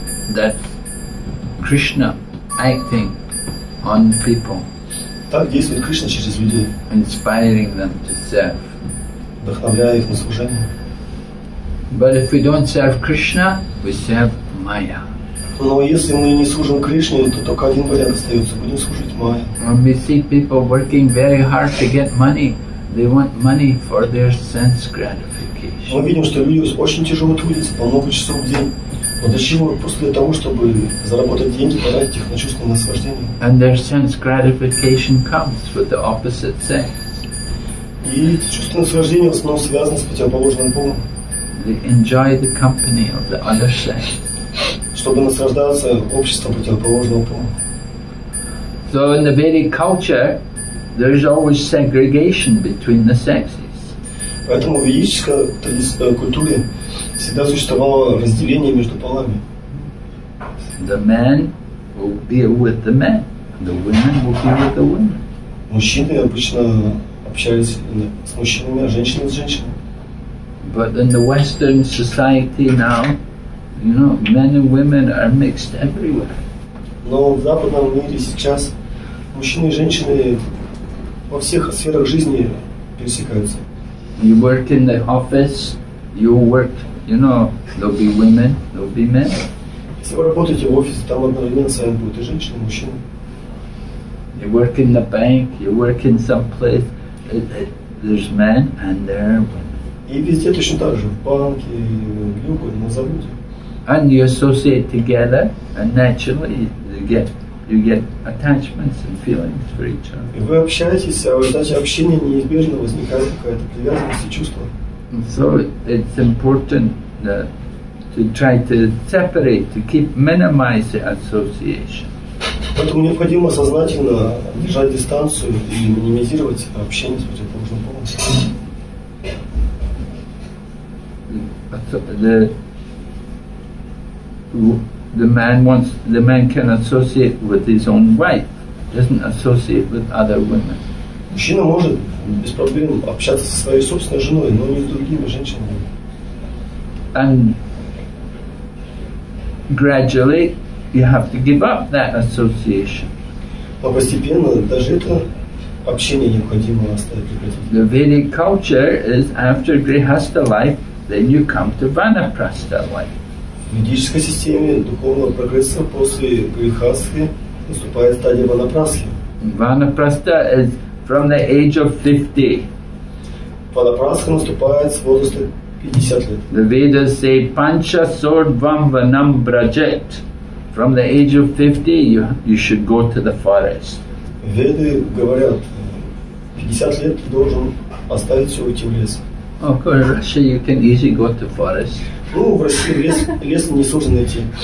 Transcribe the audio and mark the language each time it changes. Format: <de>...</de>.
<en>That's Krishna acting on people.</en> <ru>Так действует Кришна через людей.</ru> <en>Inspiring them to serve.</en> <ru>Вдохновляя их на служение.</ru> <en>But if we don't serve Krishna, we serve Maya.</en> <ru>Но если мы не служим Кришне, то только один вариант остается. Будем служить Майе.</ru> <en>When we see people working very hard to get money, they want money for their sense gratification.</en> <ru>Мы видим, что люди очень тяжело трудятся, по много часов в день. Но для чего? Просто для того, чтобы заработать деньги, потратить их на чувство наслаждения.</ru> <en>And their sense gratification comes with the opposite sex.</en> <ru>И чувство наслаждения в основном связано с противоположным полом.</ru> <en>They enjoy the company of the other sex.</en> <ru>Чтобы наслаждаться обществом противоположного пола.</ru> <en>So in the Vedic culture, there is always segregation between the sexes.</en> <ru>Поэтому в ведической культуре всегда существовало разделение между полами.</ru> <en>The man will be with the men, the women will be with the women.</en> <ru>Мужчины обычно общались с мужчинами, а женщины с женщинами.</ru> <en>But in the Western society now, you know, men and women are mixed everywhere.</en> <ru>Но в западном мире сейчас мужчины и женщины во всех сферах жизни пересекаются.</ru> <en>You work in the office, you work, you know, there'll be women, there'll be men.</en> <ru>Если вы работаете в офисе, там одновременно с вами будут и женщины, и мужчины.</ru> <en>You work in the bank, you work in some place, there's men and there are women.</en> <ru>И везде точно так же, в банке, в любой, на заводе.</ru> <en>And you associate together, and naturally you get attachments and feelings for each other.</en> <ru>И вы общаетесь, а в результате общения неизбежно возникает какая-то привязанность и чувство.</ru> <en>So it's important to try to separate, to keep minimize the association.</en> <ru>Поэтому необходимо сознательно держать дистанцию и минимизировать общение с противоположным полом.</ru> <en>The man can associate with his own wife, doesn't associate with other women.</en> <ru>Мужчина может без проблем общаться со своей собственной женой, но не с другими женщинами.</ru> <en>And gradually you have to give up that association.</en> <ru>Но постепенно даже это общение необходимо оставить.</ru> <en>The Vedic culture is after grihastha life. Then you come to vanaprastha life.</en> <ru>В ведической системе духовного прогресса после грихасхи наступает стадия ванапрасхи.</ru> <en>Ванапрастха is from the age of 50.</en> <ru>Ванапрасха наступает с возраста 50 лет.</ru> <en>The Vedas say</en> <sa>pancha sordvam vanam brajet.</sa> <en>From the age of 50 you should go to the forest.</en> <ru>Веды говорят, 50 лет ты должен оставить все, уйти в лес.</ru> <en>Of course, in Russia you can easily go to forest.</en> <ru>Ну, в России лес несложно найти.</ru>